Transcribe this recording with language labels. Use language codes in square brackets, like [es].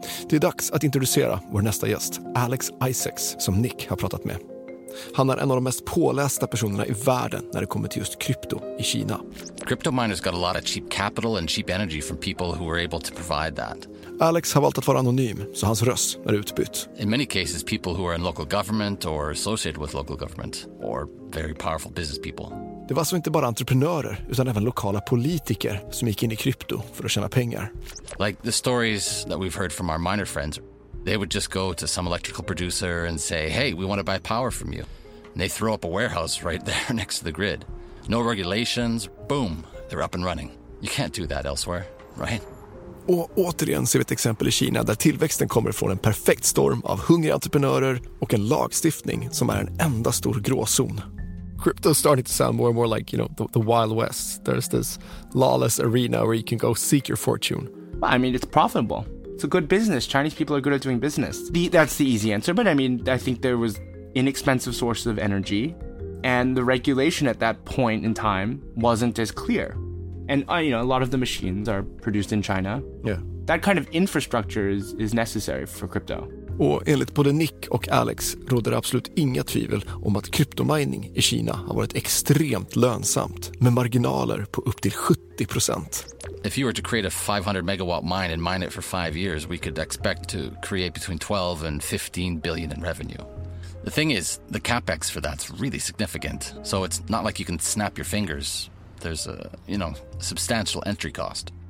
[sv] Det är dags att introducera vår nästa gäst, Alex Isaacs, som Nick har pratat med. Han är en av de mest pålästa personerna i världen när det kommer till just krypto i Kina. [en] Crypto miners got a lot of cheap capital and cheap energy from people who were able to provide that. [sv] Alex har valt att vara anonym, så hans röst är utbytt. [en] In many cases, people who are in local government or associated with local government or very powerful business people. [sv] Det var så inte bara entreprenörer utan även lokala politiker som gick in i krypto för att tjäna pengar. [en] Like the stories that we've heard from our miner friends. They would just go to some electrical producer and say, hey, we want to buy power from you. And they throw up a warehouse right there next to the grid. No regulations. Boom. They're up and running. You can't do that elsewhere, right? [sv] Och återigen ser vi ett exempel i Kina där tillväxten kommer från en perfekt storm av hungriga entreprenörer och en lagstiftning som är en enda stor gråzon. [en] Crypto is starting to sound more and more like, you know, the Wild West. There's this lawless arena where you can go seek your fortune. I mean, it's profitable. It's a good business. Chinese people are good at doing business. That's the easy answer. But I mean, I think there was inexpensive sources of energy. And the regulation at that point in time wasn't as clear. And, you know, a lot of the machines are produced in China. Yeah. That kind of infrastructure is necessary for crypto. [sv] Och enligt både Nick och Alex råder det absolut inga tvivel om att kryptomining i Kina har varit extremt lönsamt med marginaler på upp till 70%. [en] If you were to create a 500 megawatt mine and mine it for 5 years, we could expect to create between 12 and 15 billion in revenue. The thing is, the capex for that's really significant. So it's not like you can snap your fingers. There's a, you know, substantial entry cost.